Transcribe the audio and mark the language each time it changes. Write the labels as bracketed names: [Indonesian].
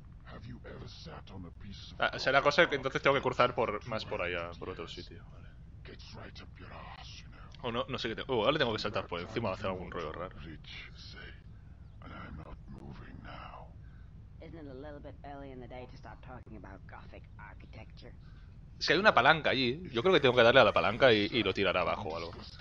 [English] Have you ever sat on a piece of... [Spanish] Ah, o sea, la cosa es que entonces tengo que cruzar por más por allá, por otro sitio. [English] Gets right up your ass, you know. [Spanish] Oh, no sé qué tengo. Ahora tengo que saltar por encima o hacer algún ruido raro. [English] Isn't it a little bit early in the day to start talking about Gothic architecture? [Spanish] Si hay una palanca allí, yo creo que tengo que darle a la palanca y lo tirar abajo o algo.